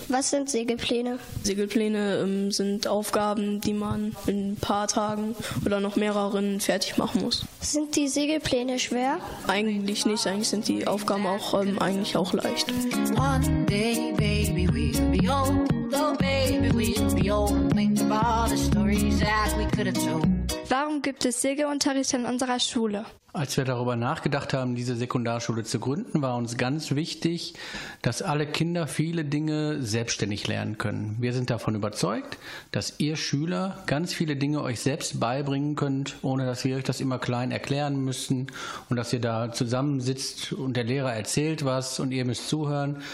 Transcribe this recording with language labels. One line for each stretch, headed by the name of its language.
German: Was sind Segelpläne? Segelpläne sind Aufgaben, die man in ein paar Tagen oder noch mehreren fertig machen muss. Sind die Segelpläne schwer? Eigentlich nicht. Eigentlich sind die Aufgaben auch eigentlich auch leicht.
English: One day, baby, we'll be old. Oh, baby, we'll be old. Think of all the stories that we could have told.
German: Warum gibt es Segelunterricht in unserer Schule? Als wir darüber nachgedacht haben, diese Sekundarschule zu gründen, war uns ganz wichtig, dass alle Kinder viele Dinge selbstständig lernen können. Wir sind davon überzeugt, dass ihr Schüler ganz viele Dinge euch selbst beibringen könnt, ohne dass wir euch das immer klein erklären müssen und dass ihr da zusammensitzt und der Lehrer erzählt was und ihr müsst zuhören.